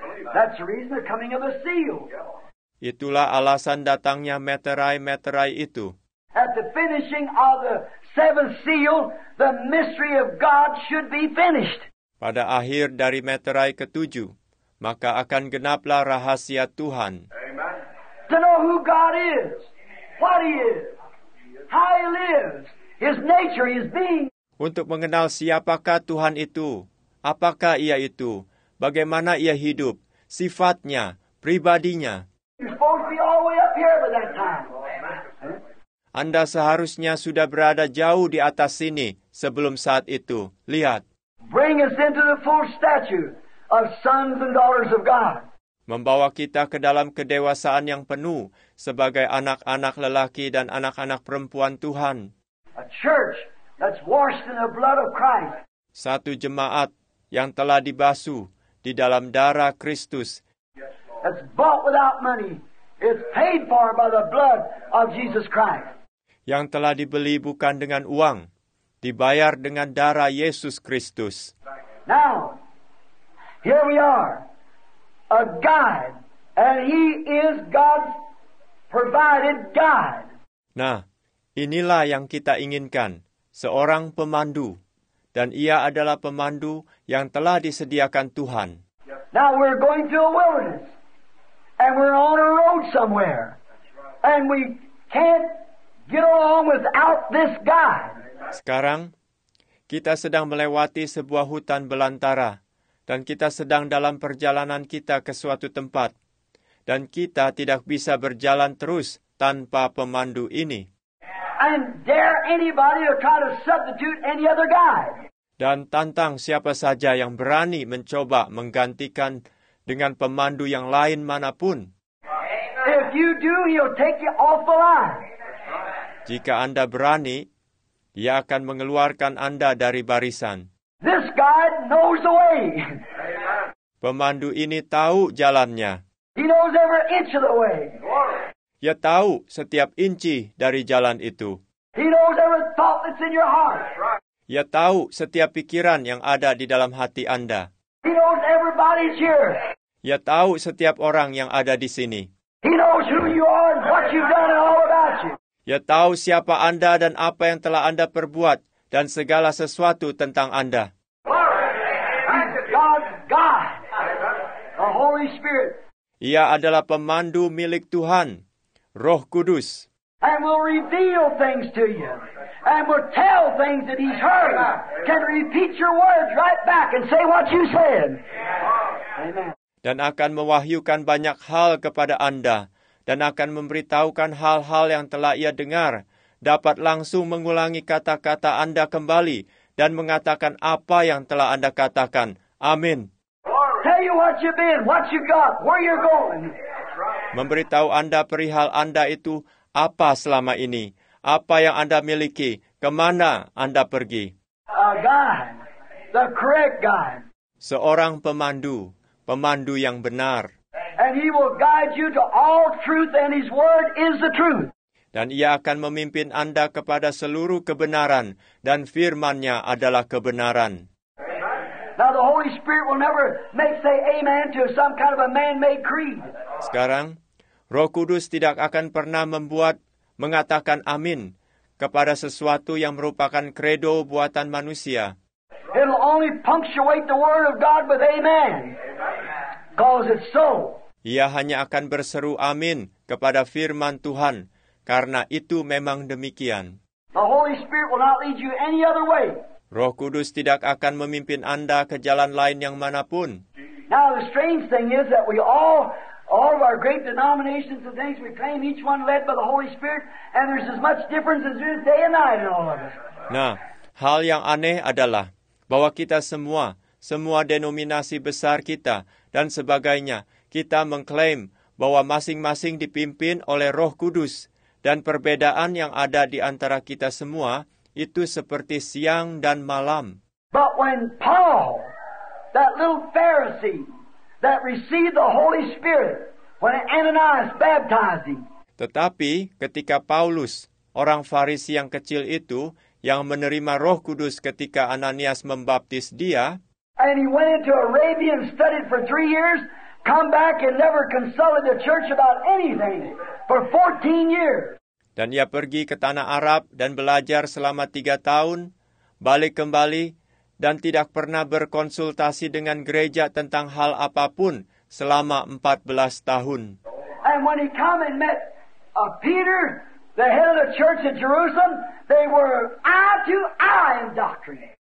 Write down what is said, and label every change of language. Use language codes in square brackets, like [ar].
[en] That's the reason the coming of the seal. [id] Itulah alasan datangnya meterai-meterai itu. [en] At the finishing of the seventh seal, the mystery of God should be finished. [id] Pada akhir dari meterai ketujuh, maka akan genaplah rahasia Tuhan. [en] Amen. To know who God is, what he is, how he lives, his nature, his being. [id] Untuk mengenal siapakah Tuhan itu, apakah ia itu, bagaimana ia hidup, sifatnya, pribadinya. [en] You're supposed to be all the way up here by that time. [id] Anda seharusnya sudah berada jauh di atas sini sebelum saat itu. Lihat. [en] Bring us into the full stature of sons and daughters of God. [id] Membawa kita ke dalam kedewasaan yang penuh sebagai anak-anak lelaki dan anak-anak perempuan Tuhan. [en] A church that's washed in the blood of Christ. [id] Satu jemaat yang telah dibasuh di dalam darah Kristus. [en] It's bought without money. It's paid for by the blood of Jesus Christ. [id] Yang telah dibeli bukan dengan uang, dibayar dengan darah Yesus Kristus. [en] Now, here we are, a guide, and he is God's provided guide. [id] Nah, inilah yang kita inginkan, seorang pemandu, dan ia adalah pemandu yang telah disediakan Tuhan. [en] Now we're going to a wilderness. And we're on a road somewhere. And we can't get along without this guide. [id] Sekarang, kita sedang melewati sebuah hutan belantara. Dan kita sedang dalam perjalanan kita ke suatu tempat. Dan kita tidak bisa berjalan terus tanpa pemandu ini. [en] And dare anybody to try to substitute any other guide. [id] Dan tantang siapa saja yang berani mencoba menggantikan dengan pemandu yang lain manapun. [en] If you do, he'll take you off the line. [id] Jika Anda berani, ia akan mengeluarkan Anda dari barisan. [en] This guide knows the way. [id] Pemandu ini tahu jalannya. [en] He knows every inch of the way. [id] Ia tahu setiap inci dari jalan itu. [en] He knows every thought that's in your heart. [id] Ia tahu setiap pikiran yang ada di dalam hati Anda. [en] He knows everybody's here. [id] Ia tahu setiap orang yang ada di sini. [en] He knows who you are and what you've done and all about you. [id] Ia tahu siapa Anda dan apa yang telah Anda perbuat dan segala sesuatu tentang Anda. [en] He's God's God, the Holy Spirit. [id] Ia adalah pemandu milik Tuhan, Roh Kudus. [en] And will reveal things to you. And will tell things that he's heard. Can repeat your words right back and say what you said. [id] Dan akan mewahyukan banyak hal kepada Anda. Dan akan memberitahukan hal-hal yang telah ia dengar. Dapat langsung mengulangi kata-kata Anda kembali. Dan mengatakan apa yang telah Anda katakan. Amin. [en] Tell you what you've been, what you got, where you're going. [id] Memberitahu Anda perihal Anda itu apa selama ini. Apa yang Anda miliki. Kemana Anda pergi. [en] A God, the correct God. [id] Seorang pemandu. Pemandu yang benar. [en] And he will guide you to all truth, and his word is the truth. [id] Dan ia akan memimpin Anda kepada seluruh kebenaran, dan firman-Nya adalah kebenaran. [en] Now the Holy Spirit will never make say amen to some kind of a man-made creed. [id] Sekarang, Roh Kudus tidak akan pernah mengatakan amin kepada sesuatu yang merupakan kredo buatan manusia. [en] It'll only punctuate the word of God with amen. Because it's so. [id] Ia hanya akan berseru amin kepada firman Tuhan, karena itu memang demikian. [en] The Holy Spirit will not lead you any other way. [id] Roh Kudus tidak akan memimpin Anda ke jalan lain yang manapun. [en] Now the strange thing is that we all of our great denominations and things, we claim each one led by the Holy Spirit, and there's as much difference as there is day and night in all of us. [id] Nah, hal yang aneh adalah bahwa kita semua denominasi besar kita dan sebagainya, kita mengklaim bahwa masing-masing dipimpin oleh Roh Kudus, dan perbedaan yang ada di antara kita semua itu seperti siang dan malam. [en] But when Paul, that little Pharisee that received the Holy Spirit when Ananias baptized him. [id] Tetapi ketika Paulus, orang Farisi yang kecil itu yang menerima Roh Kudus ketika Ananias membaptis dia, [en] and he went into Arabia and studied for 3 years, come back and never consulted the church about anything for 14 years. [id] Dan ia pergi ke tanah Arab dan belajar selama 3 tahun, balik kembali, dan tidak pernah berkonsultasi dengan gereja tentang hal apapun selama 14 tahun. [en] And when he come and met Peter, the head of the church in Jerusalem, they were eye to eye in doctrine.